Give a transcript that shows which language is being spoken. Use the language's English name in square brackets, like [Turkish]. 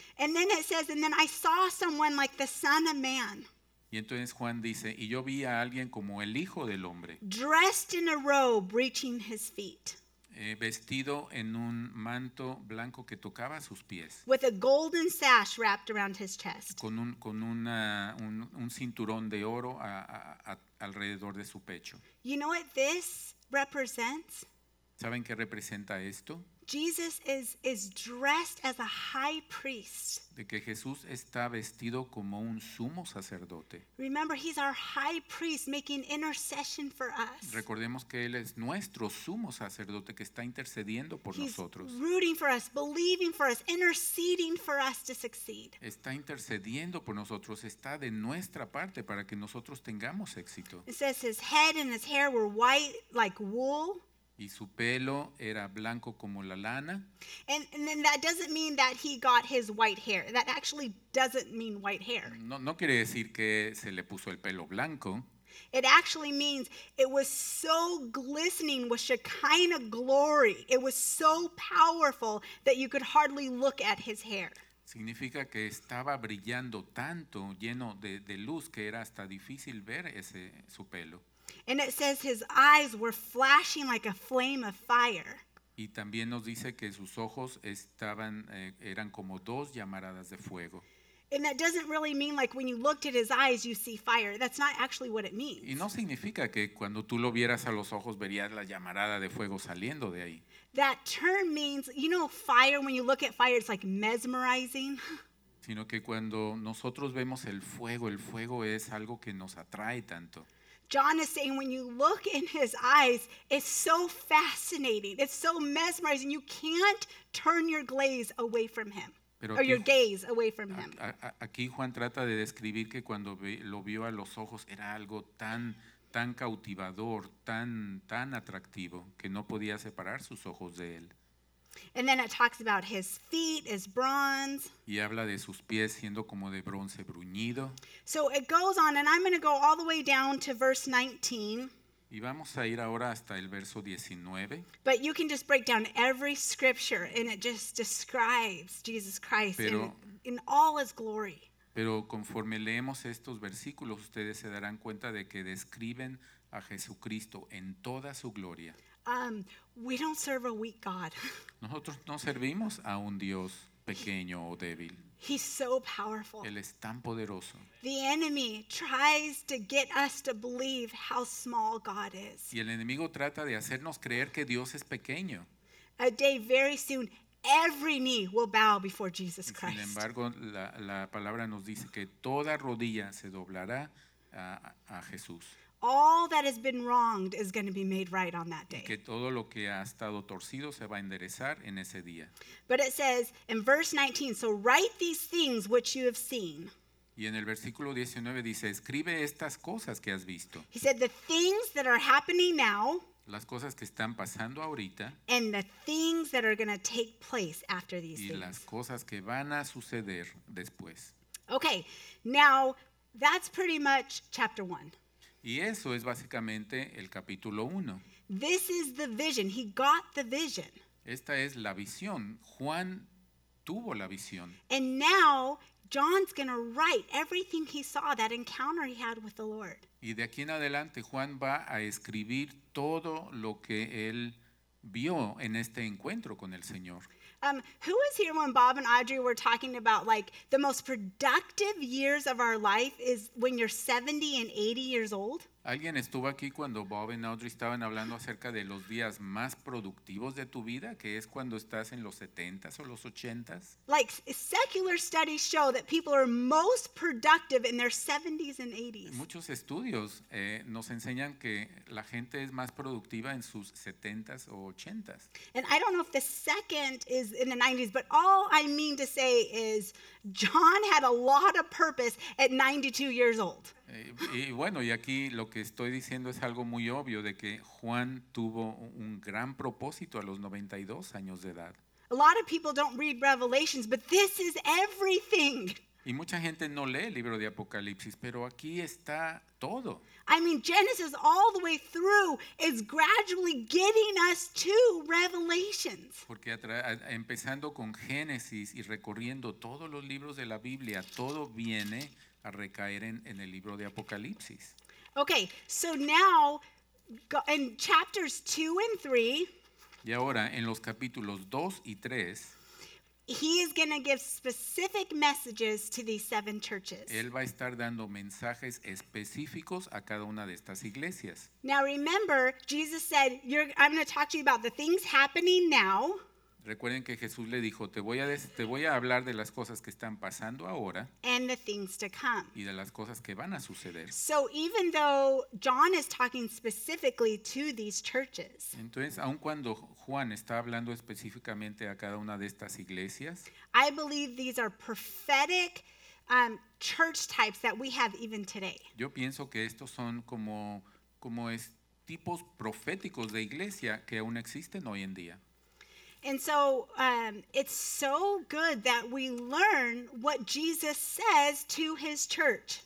[English] And then it says, and then I saw someone like the Son of Man. [Spanish] Y entonces Juan dice, y yo vi a alguien como el Hijo del Hombre. [English] Dressed in a robe reaching his feet. [Spanish] Vestido en un manto blanco que tocaba sus pies. [English] With a golden sash wrapped around his chest. [Spanish] Con un cinturón de oro alrededor de su pecho. [English] You know what this represents? [Spanish] ¿Saben qué representa esto? [English] Jesus is dressed as a high priest. [Spanish] De que Jesús está vestido como un sumo sacerdote. [English] Remember, he's our high priest making intercession for us. [Spanish] Recordemos que él es nuestro sumo sacerdote que está intercediendo por nosotros. [English] He's rooting for us, believing for us, interceding for us to succeed. [Spanish] Está intercediendo por nosotros, está de nuestra parte para que nosotros tengamos éxito. [English] It says his head and his hair were white like wool. [Spanish] Y su pelo era blanco como la lana. [English] And then that doesn't mean that he got his white hair. That actually doesn't mean white hair. [Spanish] No quiere decir que se le puso el pelo blanco. [English] It actually means it was so glistening with Shekinah glory. It was so powerful that you could hardly look at his hair. [Spanish] Significa que estaba brillando tanto, lleno de luz, que era hasta difícil ver su pelo. [English] And it says his eyes were flashing like a flame of fire. [Spanish] Y también nos dice que sus ojos estaban eran como dos llamaradas de fuego. [English] And that doesn't really mean like when you looked at his eyes you see fire. That's not actually what it means. [Spanish] Y no significa que cuando tú lo vieras a los ojos verías la llamarada de fuego saliendo de ahí. [English] That term means, you know, fire, when you look at fire it's like mesmerizing. [Spanish] Sino que cuando nosotros vemos el fuego es algo que nos atrae tanto. [English] John is saying when you look in his eyes, it's so fascinating. It's so mesmerizing. You can't turn your gaze away from him. [Spanish] Pero aquí, [English] or your gaze away from him. [Spanish] Aquí Juan trata de describir que cuando lo vio a los ojos era algo tan cautivador, tan atractivo, que no podía separar sus ojos de él. [English] And then it talks about his feet as bronze. [Spanish] Y habla de sus pies siendo como de bronce bruñido. [English] So it goes on, and I'm going to go all the way down to verse 19. [Spanish] Y vamos a ir ahora hasta el verso 19. [English] But you can just break down every scripture, and it just describes Jesus Christ in all his glory. [Spanish] Pero conforme leemos estos versículos, ustedes se darán cuenta de que describen a Jesucristo en toda su gloria. [English] We don't serve a weak God. [Spanish] Nosotros no servimos a un Dios pequeño o débil. [English] He's so powerful. [Spanish] Él es tan poderoso. [English] The enemy tries to get us to believe how small God is. [Spanish] Y el enemigo trata de hacernos creer que Dios es pequeño. [English] A day very soon, every knee will bow before Jesus Christ. [Spanish] Sin embargo, la palabra nos dice que toda rodilla se doblará a Jesús. [English] All that has been wronged is going to be made right on that day. [Spanish] Que todo lo que ha estado torcido se va a enderezar en ese día. [English] But it says in verse 19, so write these things which you have seen. [Spanish] Y en el versículo 19 dice, escribe estas cosas que has visto. [English] He said the things that are happening now. [Spanish] Las cosas que están pasando ahorita. [English] And the things that are going to take place after these [Spanish] y [English] things. [Spanish] Y las cosas que van a suceder después. [English] Okay, now that's pretty much chapter 1. [Spanish] Y eso es básicamente el capítulo 1. [English] This is the vision. He got the vision. [Spanish] Esta es la visión. Juan tuvo la visión. [English] And now John's going to write everything he saw, that encounter he had with the Lord. [Spanish] Y de aquí en adelante Juan va a escribir todo lo que él vio en este encuentro con el Señor. [English] Who was here when Bob and Audrey were talking about like the most productive years of our life is when you're 70 and 80 years old? [Spanish] ¿Alguien estuvo aquí cuando Bob y Audrey estaban hablando acerca de los días más productivos de tu vida, que es cuando estás en los 70s o los 80s? [English] Like, secular studies show that people are most productive in their 70s and 80s. [Spanish] Muchos estudios nos enseñan que la gente es más productiva en sus 70s o 80s. [English] And I don't know if the second is in the 90s, but all I mean to say is John had a lot of purpose at 92 years old. [Spanish] Y bueno, y aquí lo que estoy diciendo es algo muy obvio, de que Juan tuvo un gran propósito a los 92 años de edad. [English] A lot of people don't read Revelations, but this is everything. [Spanish] Y mucha gente no lee el libro de Apocalipsis, pero aquí está todo. [English] I mean, Genesis all the way through is gradually getting us to Revelations. [Spanish] Porque empezando con Génesis y recorriendo todos los libros de la Biblia, todo viene a recaer en el libro de Apocalipsis. [English] Okay, so now in chapters 2 and 3. [Spanish] Y ahora en los capítulos 2 y 3. [English] He is going to give specific messages to these seven churches. [Spanish] Él va a estar dando mensajes específicos a cada una de estas iglesias. [English] Now remember, Jesus said, I'm going to talk to you about the things happening now. [Spanish] Recuerden que Jesús le dijo, te voy a hablar de las cosas que están pasando ahora. [English] And the things to come. [Spanish] Y de las cosas que van a suceder. [English] So even though John is talking specifically to these churches. [Spanish] Entonces, aun cuando Juan está hablando específicamente a cada una de estas iglesias. [English] I believe these are prophetic church types that we have even today. [Spanish] Yo pienso que estos son como tipos proféticos de iglesia que aún existen hoy en día. [English] And so it's so good that we learn what Jesus says to his church.